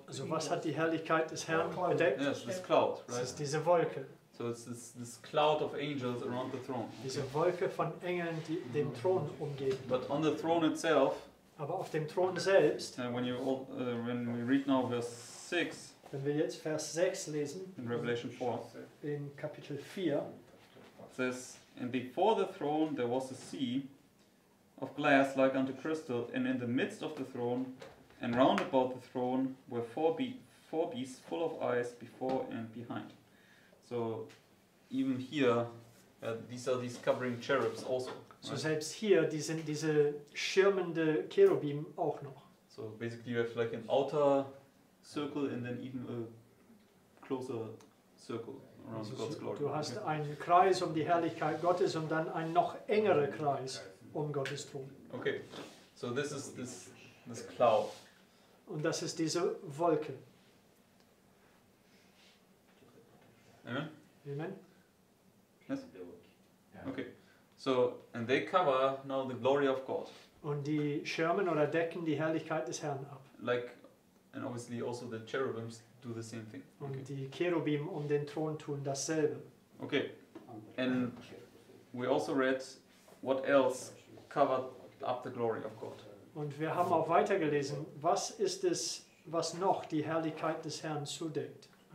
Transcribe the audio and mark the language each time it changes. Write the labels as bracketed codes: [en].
[de] Also was hat die Herrlichkeit des Herrn bedeckt? [en] Yes, this cloud, right? [de] Es ist diese Wolke. [en] So it's this cloud of angels around the throne. Okay. [de] Diese Wolke von Engeln, die den Thron umgeben. [en] But on the throne itself. [de] Aber auf dem Thron selbst. [en] When we read now verse 6. [de] Wenn wir jetzt Vers 6 lesen. [en] In Revelation 4. [de] In Kapitel 4. [en] It says, and before the throne there was a sea of glass like unto crystal, and in the midst of the throne and round about the throne were four beasts full of eyes before and behind. So even here these are these covering cherubs also. So right? [de] Selbst hier, die sind diese schirmende Cherubim auch noch. [en] So basically you have like an outer circle and then even a closer circle. [de] Du hast einen Kreis um die Herrlichkeit Gottes und dann einen noch engeren Kreis um Gottes Thron. [en] Okay, so this is this cloud. [de] Und das ist diese Wolke. [en] Amen? Amen? Yes? Okay, so and they cover now the glory of God. [de] Und die schirmen oder decken die Herrlichkeit des Herrn ab. [en] Like, and obviously also the cherubims. Do the same thing. Okay. [de] Und die Cherubim um den Thron tun dasselbe. [en] Okay. And we also read what else covered up the glory of God. [de] Und wir haben auch weitergelesen, was ist es, was noch die Herrlichkeit des Herrn zudeckt?